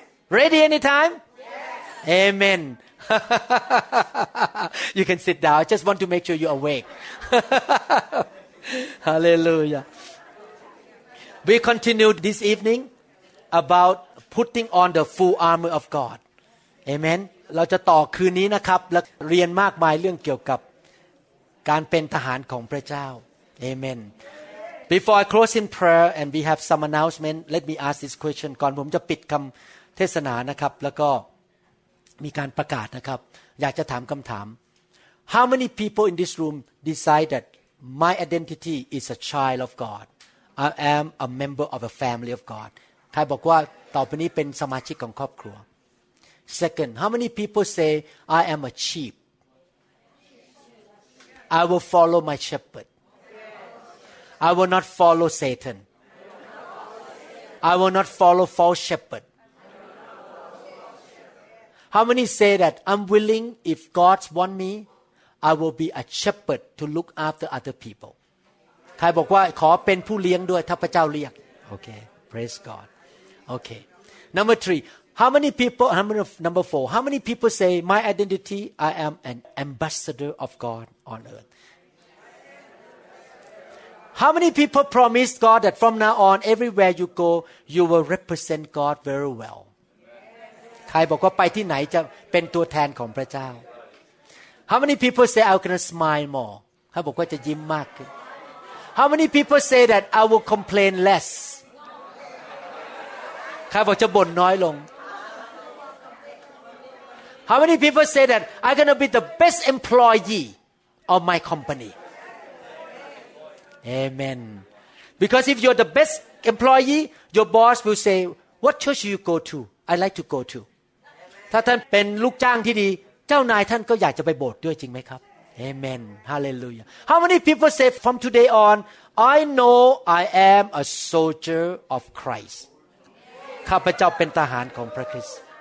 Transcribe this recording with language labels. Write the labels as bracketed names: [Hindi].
[English] Ready anytime? Amen. You can sit down. I just want to make sure you're awake. Hallelujah. We continue this evening about putting on the full armor of God. Amen. [Thai] เราจะต่อคืนนี้นะครับและเรียนมากมายเรื่องเกี่ยวกับการเป็นทหารของพระเจ้า. [English] Amen. Before I close in prayer and we have some announcement, let me ask this question. [Thai] ก่อนผมจะปิดคำเทศนานะครับแล้วก็มีการประกาศนะครับอยากจะถามคำถาม. [English] How many people in this room decide that my identity is a child of God? I am a member of a family of God. [Thai] ใครบอกว่าต่อไปนี้เป็นสมาชิกของครอบครัว [English] Second, how many people say I am a sheep? I will follow my shepherd. I will not follow Satan. I will not follow false shepherd. How many say that I'm willing if God want me, I will be a shepherd to look after other people? [Thai] ใครบอกว่าขอเป็นผู้เลี้ยงด้วยถ้าพระเจ้าเรียก [English] Okay, praise God. Okay, number three. How many people say my identity? I am an ambassador of God on earth. How many people promise God that from now on, everywhere you go, you will represent God very well? [Thai] ใครบอกว่าไปที่ไหนจะเป็นตัวแทนของพระเจ้า [English] How many people say I'm gonna smile more? [Thai] ใครบอกว่าจะยิ้มมากขึ้น [English] How many people say that I will complain less? [Thai] ใครบอกจะบ่นน้อยลง [English] How many people say that I'm gonna be the best employee of my company? Amen. Because if you're the best employee, your boss will say, "What church you go to? I like to go to." [Thai] ถ้าท่านเป็นลูกจ้างที่ดีเจ้านายท่านก็อยากจะไปโบสถ์ด้วยจริงไหมครับ [English] Amen Hallelujah How many people say from today on I know I am a soldier of Christ [Thai] ข้าพเจ้าเป็นทหารของพระคริสต์